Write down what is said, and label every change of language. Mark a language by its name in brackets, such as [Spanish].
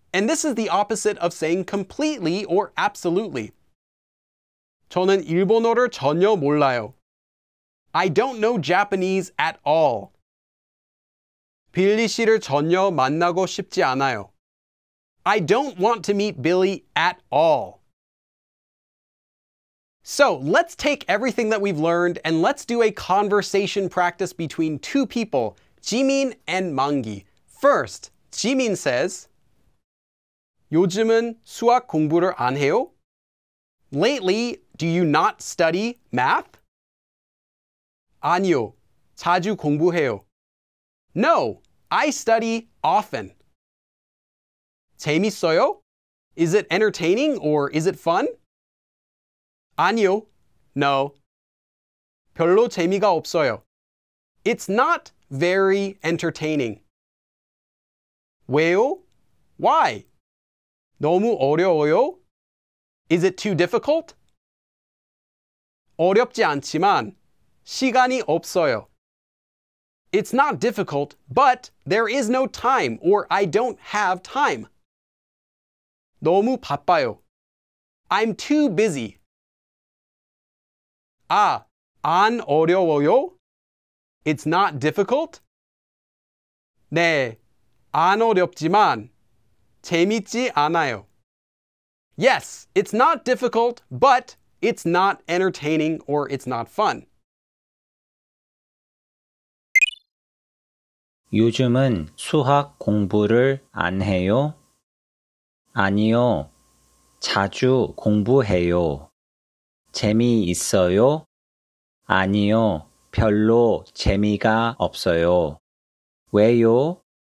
[English] And this is the opposite of saying completely or absolutely. [Korean] 저는 일본어를 전혀 몰라요. [English] I don't know Japanese at all. [Korean] 빌리 씨를 전혀 만나고 싶지 않아요. [English] I don't want to meet Billy at all. So, let's take everything that we've learned and let's do a conversation practice between two people, Jimin and Manggi. First, Jimin says, [Korean] 요즘은 수학 공부를 안 해요? [English] Lately, do you not study math? [Korean] 아니요, 자주 공부해요. [English] No, I study often. [Korean] 재밌어요? [English] Is it entertaining or is it fun? [Korean] 아니요, no. 별로 재미가 없어요. [English] It's not very entertaining. [Korean] 왜요? [English] Why? [Korean] 너무 어려워요? [English] Is it too difficult? [Korean] 어렵지 않지만, 시간이 없어요. [English] It's not difficult, but there is no time, or I don't have time. [Korean] 너무 바빠요. [English] I'm too busy. [Korean] 아, 안 어려워요? [English] It's not difficult? [Korean] 네, 안 어렵지만, 재밌지 않아요. [English] Yes, it's not difficult, but it's not entertaining or it's not fun. [Korean] 요즘은 수학 공부를 안 해요? 아니요, 자주 공부해요. 재미있어요? 아니요, 별로 재미가 없어요. 왜요?